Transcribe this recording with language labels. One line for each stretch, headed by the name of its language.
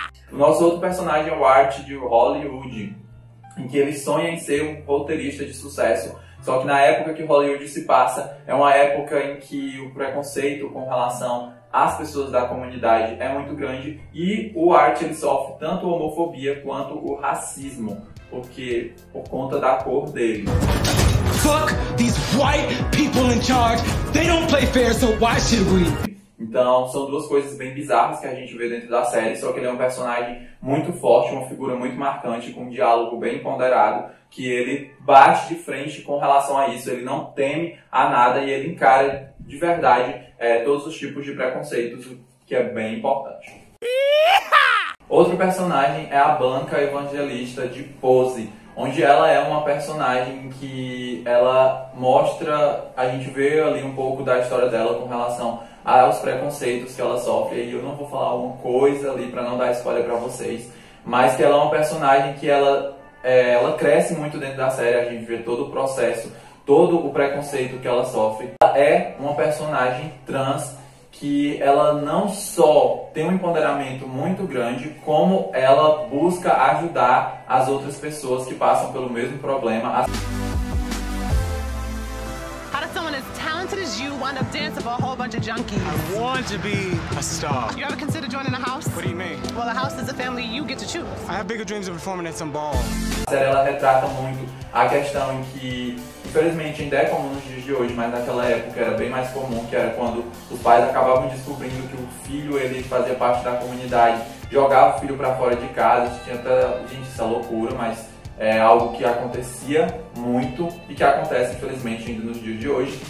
Portuguese: O nosso outro personagem é o Art de Hollywood, em que ele sonha em ser um roteirista de sucesso. Só que na época que Hollywood se passa, é uma época em que o preconceito com relação às pessoas da comunidade é muito grande. E o Art, ele sofre tanto homofobia quanto o racismo, porque por conta da cor dele.
English: Fuck these white people in charge. They don't play fair, so why should we?
Portuguese: Então, são duas coisas bem bizarras que a gente vê dentro da série, só que ele é um personagem muito forte, uma figura muito marcante, com um diálogo bem ponderado, que ele bate de frente com relação a isso, ele não teme a nada e ele encara de verdade todos os tipos de preconceitos, que é bem importante. Outro personagem é a Blanca Evangelista de Pose, onde ela é uma personagem que ela mostra, a gente vê ali um pouco da história dela com relação aos preconceitos que ela sofre, e eu não vou falar alguma coisa ali pra não dar spoiler pra vocês, mas que ela é uma personagem que ela cresce muito dentro da série, a gente vê todo o processo, todo o preconceito que ela sofre. Ela é uma personagem trans que ela não só tem um empoderamento muito grande, como ela busca ajudar as outras pessoas que passam pelo mesmo problema.
English: How does someone as talented as you wind up dancing for a whole bunch of junkies? I want to be a star. You ever consider joining a house? What do you mean? Well, a house is a family you get to choose. I have bigger dreams of performing at some ball.
Portuguese: A série, ela retrata muito a questão em que, infelizmente, ainda é comum nos dias de hoje, mas naquela época era bem mais comum, que era quando os pais acabavam descobrindo que o filho, ele fazia parte da comunidade, jogava o filho para fora de casa. Tinha até, gente, essa loucura, mas é algo que acontecia muito e que acontece, infelizmente, ainda nos dias de hoje.